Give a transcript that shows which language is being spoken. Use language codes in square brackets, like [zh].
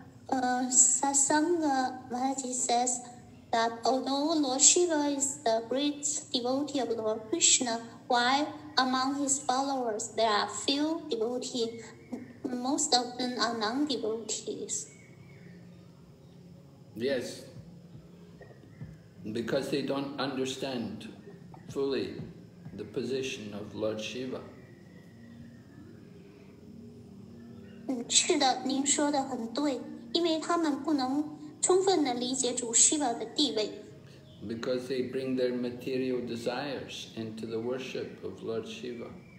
[en] Satsanga Maharaji says that although Lord Shiva is the great devotee of Lord Krishna, why among his followers there are few devotees, most of them are non-devotees? Yes, because they don't understand fully the position of Lord Shiva. [zh] 是的，您说的很对，因为他们不能充分地理解主Shiva的地位。 [en] Because they bring their material desires into the worship of Lord Shiva.